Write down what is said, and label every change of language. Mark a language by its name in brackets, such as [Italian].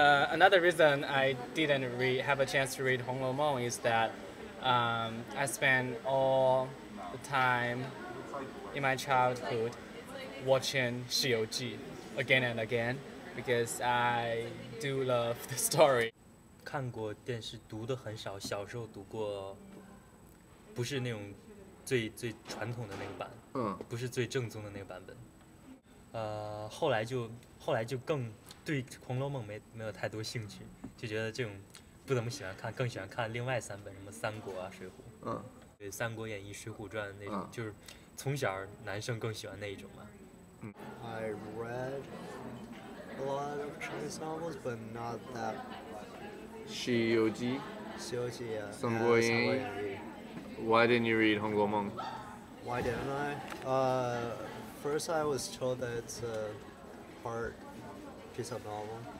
[English] Another reason I didn't have a chance to read Hong Lou Meng is that I spent all the time in my childhood watching XieXie again and again because I do love the story. [Chinese] 看过电视读的很少，小时候读过，不是那种最传统的那个版，不是最正宗的那个版本。后来就更对《红楼梦》没有太多兴趣，就觉得这种不怎么喜欢看，更喜欢看另外三本，什么《三国》啊，《水浒》。嗯，对，《三国演义》《水浒传》那种，就是从小男生更喜欢那一种嘛。嗯。 [English] I read a lot of Chinese novels, but not that. [Chinese] 西游记。西游记啊。三国演义。 [English] Why didn't you read [Chinese] 《红楼梦》 [English] ？Why didn't I? First, I was told that it's a hard piece of novel.